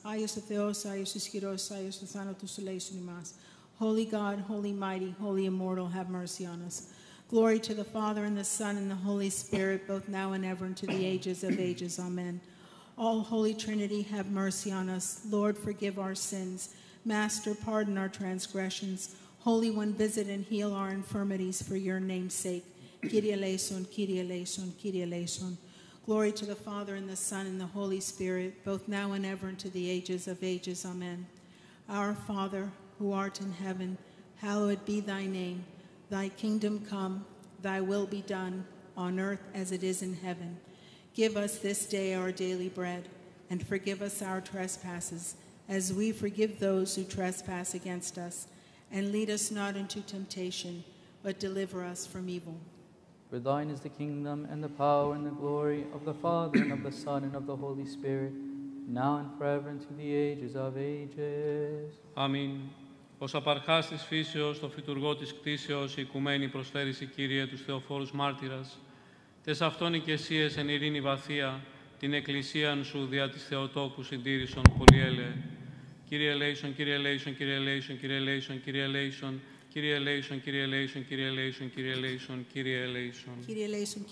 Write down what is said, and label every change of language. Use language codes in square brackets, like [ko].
[el] Άγιος ο Θεός, Άγιος Ισχυρός, Άγιος ο Θάνατος, ελέησον ημάς. [en] Holy God, Holy Mighty, Holy Immortal, have mercy on us. Glory to the Father, and the Son, and the Holy Spirit, both now and ever, and to the ages of ages. Amen. All Holy Trinity, have mercy on us. Lord, forgive our sins. Master, pardon our transgressions. Holy One, visit and heal our infirmities for your name's sake. [el] Kyrie eleison, Kyrie eleison, Kyrie eleison. [en] Glory to the Father, and the Son, and the Holy Spirit, both now and ever, and to the ages of ages. Amen. Our Father, who art in heaven, hallowed be thy name. Thy kingdom come, thy will be done, on earth as it is in heaven. Give us this day our daily bread, and forgive us our trespasses, as we forgive those who trespass against us. And lead us not into temptation, but deliver us from evil. For thine is the kingdom, and the power, and the glory of the Father, and of the Son, and of the Holy Spirit, now and forever, and to the ages of ages. Amen. [el] Ως απαρχάς της φύσεως, το φυτουργό της κτήσεως, η οικουμένη προσφέρηση, Κύριε, τους θεοφόρους μάρτυρας, τες αυτών οικεσίες εν ειρήνη βαθία, την εκκλησίαν σου δια της Θεοτόκου συντήρησον, πολυέλε. Κύριε Λέησον, Κύριε Λέησον, Κύριε Λέησον, Κύριε Λέησον, Κύριε Λέησον, Κύριε Λέησον, Κύριε Λέησον, Κύριε Λέησον, Κύριε Λέησον, Κύριε Λέησον,